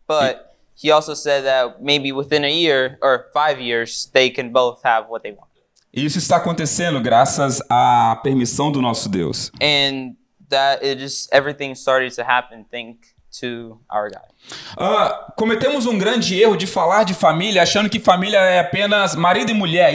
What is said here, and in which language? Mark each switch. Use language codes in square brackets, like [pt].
[en] But he also said that maybe within a year or 5 years, they can both have what they want. [pt] Isso está acontecendo graças à permissão do nosso Deus. [en] And that it just everything started to happen, thank to our God. [pt] Cometemos grande erro de falar de família, achando que família é apenas marido e mulher.